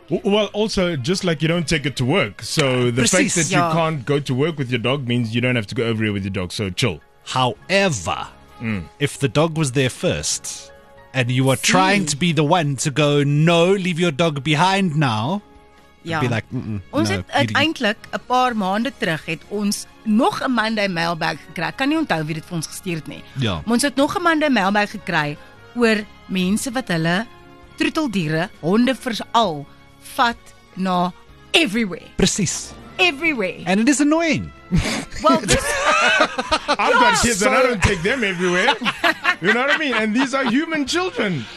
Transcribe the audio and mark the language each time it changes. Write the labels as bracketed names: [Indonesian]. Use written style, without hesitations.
[English] Well, also, just like you don't take it to work. So the fact that you can't go to work with your dog means you don't have to go everywhere with your dog. So chill. However, if the dog was there first and you are trying to be the one to go, no, leave your dog behind now. Yeah. Be like, [Afrikaans] ons het uiteindelik 'n paar maande terug het ons nog 'n Monday mailbag gekry. Kan nie onthou wie dit vir ons gestuur het nie. [English] Yeah. [Afrikaans] Ons het nog 'n Monday mailbag gekry oor mense wat hulle troeteldiere, honde veral, vat na everywhere. Presies. [English] Everywhere. And it is annoying. Well, this I've got kids and I don't take them everywhere. You know what I mean? And these are human children.